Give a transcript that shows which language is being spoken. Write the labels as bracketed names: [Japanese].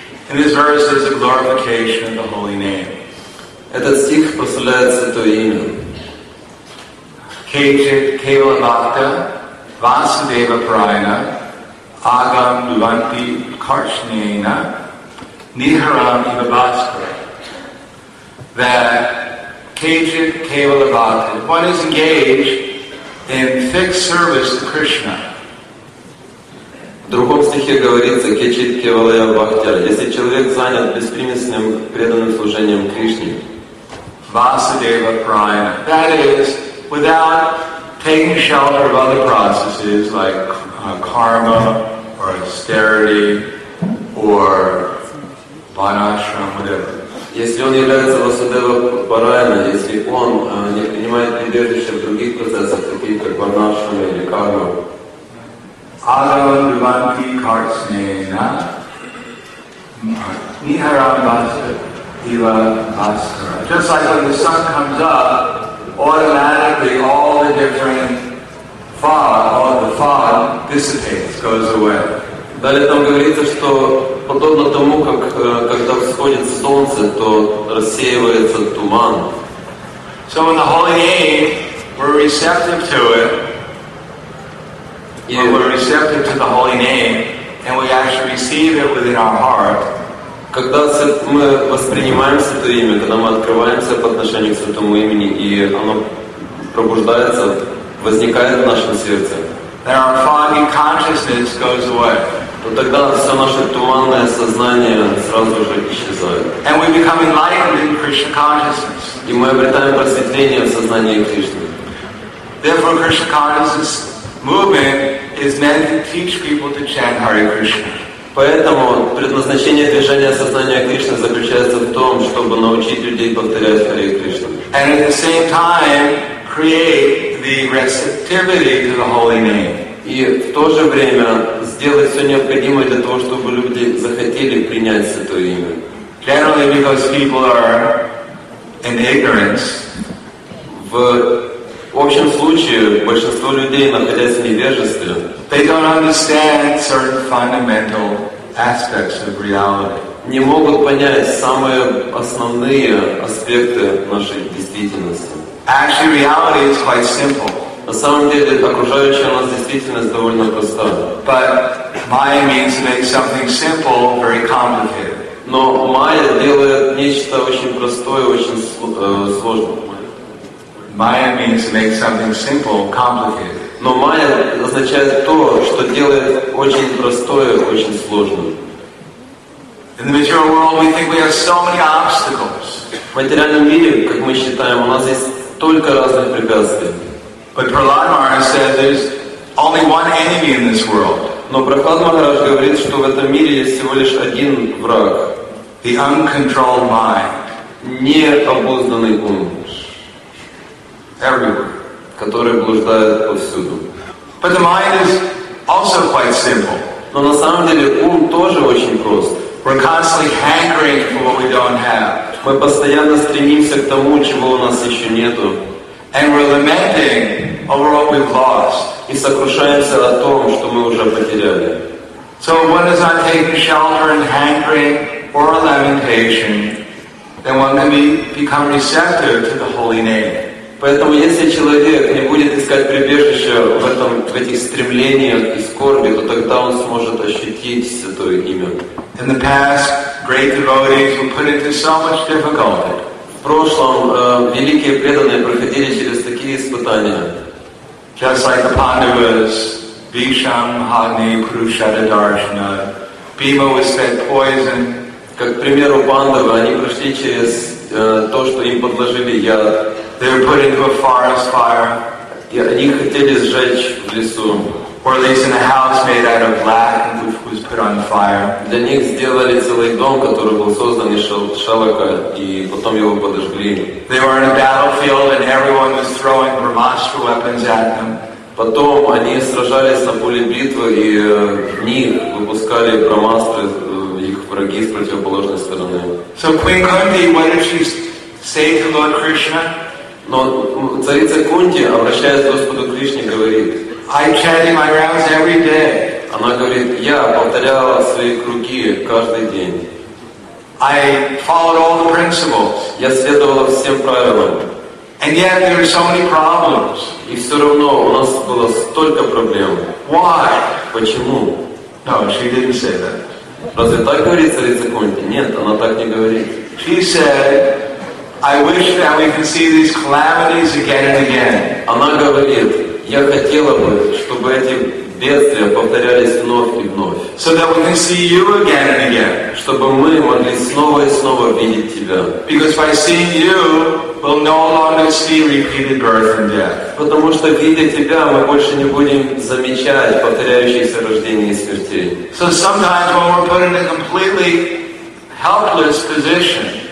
[English] In this verse is a glorification of the Holy Name. [Russian] Этот стих прославляет Святое Имя. [Sanskrit] Kejit Kevala Bhakta Vasudeva Parayana Agam Duvanti Karshneena Niharam Iva Bhaskara. [English] That [Sanskrit] Kejit Kevala Bhakta, [English] if one is engaged in fixed service to Krishna. [Russian] В другом стихе говорится, [Sanskrit] Кечит Кевала Бхактя, [Russian] если человек занят беспримесным преданным служением Кришне. [Sanskrit] Vasudeva Prayana. [English] That is, without taking shelter of other processes like karma or austerity or vanashram, whatever. [Russian] Если он является Васудева Парайна, если он не принимает прибежище в других процессах, таких как Варнашрама или Карма. [Sanskrit] Агаван Дванти Карцнена Нихарам Баска Ива Баскара. [English] Just like when the sun comes up, automatically all the different fog, all the fog dissipates, goes away. [Russian] Далее там говорится, что подобно тому, как когда восходит солнце, то рассеивается туман. [English] So in the holy name, we're receptive to it. Yeah. We're receptive to the holy name, and we actually receive it within our heart. [Russian] Когда мы воспринимаем Святое Имя, когда мы открываемся по отношению к Святому Имени, и оно пробуждается, возникает в нашем сердце. [English] Then our foggy consciousness goes away. [Russian] Но тогда все наше туманное сознание сразу же исчезает. [English] And we become enlightened in Krishna consciousness. [Russian] И мы обретаем просветление в сознании Кришны. [English] Therefore, Krishna consciousness movement is meant to teach people to chant Hare Krishna. [Russian] Поэтому предназначение движения сознания Кришны заключается в том, чтобы научить людей повторять Hare Krishna. [English] And at the same time, create the receptivity to the holy name. [Russian] И в то же время сделать все необходимое для того, чтобы люди захотели принять Святое Имя. [English] Generally, because people are in ignorance. [Russian] В общем случае, большинство людей, находясь в невежестве, [English] they don't understand certain fundamental aspects of reality. [Russian] Не могут понять самые основные аспекты нашей действительности. [English] Actually, reality is quite simple. [Russian] На самом деле, окружающая нас действительность довольно проста. [English] But Maya means to make something simple very complicated. [Russian] Но Maya делает нечто очень простое, очень сложное. [English] Maya means to make something simple complicated. [Russian] Но Maya означает то, что делает очень простое, очень сложным. [English] In the material world, we think we have so many obstacles. [Russian] В материальном мире, как мы считаем, у нас есть только разные препятствия. [English] But Prahlad Maharaj says there's only one enemy in this world. [Russian] Но Прохлад Махарадж говорит, что в этом мире есть всего лишь один враг. [English] The uncontrolled mind. [Russian] Необузданный ум. [English] Everywhere. [Russian] Который блуждает повсюду. [English] But the mind is also quite simple. [Russian] Но на самом деле ум тоже очень прост. [English] We're constantly hankering for what we don't have. [Russian] Мы постоянно стремимся к тому, чего у нас еще нету. [English] And we're lamenting over what we've lost. [Russian] И сокрушаемся о том, что мы уже потеряли. [English] So one does not take shelter and hankering or lamentation, then one can become receptive to the holy name. [Russian] Поэтому если человек не будет искать прибежище в этом, в этих стремлениях и скорби, то тогда он сможет ощутить Святое Имя. [English] In the past, great devotees were put into so much difficulty. [Russian] В прошлом великие преданные проходили через такие испытания. [English] Just like the Pandavas, Bhisham, Agni, Kurukshetra, Darshana, Bhima was fed poison. [Russian] Как, к примеру, Пандавы, они прошли через то, что им подложили яд. [English] They were put into a forest fire. [Russian] И они хотели сжечь в лесу. [English] or at least in a house made out of black and which was put on fire. [Russian] Для них сделали целый дом, который был создан из шелка, и потом его подожгли. [English] They were in a battlefield and everyone was throwing monster weapons at them. [Russian] Потом они сражались на поле битвы, и них выпускали промастры их враги с противоположной стороны. [English] So Queen Kunti, what did she say to Lord Krishna? [Russian] Но царица Кунти, обращаясь к Господу Кришне, говорит, [English] I chanted my rounds every day. [Russian] Она говорит, я повторяла свои круги каждый день. [English] I followed all the principles. [Russian] Я следовала всем правилам. [English] And yet there are so many problems. [Russian] И все равно у нас было столько проблем. [English] Why? [Russian] Почему? [English] No, she didn't say that. [Russian] Разве так говорит царица Кунти? Нет, она так не говорит. [English] She said, I wish that we could see these calamities again and again. [Russian] Она говорит, я хотела бы, чтобы эти бедствия повторялись вновь и вновь. [English] So that we can see you again and again. [Russian] Чтобы мы могли снова и снова видеть тебя. [English] Because by seeing you, we'll no longer see repeated birth and death. [Russian] Потому что видя тебя, мы больше не будем замечать повторяющиеся рождения и смерти. [English] So sometimes when we're put in a completely helpless position.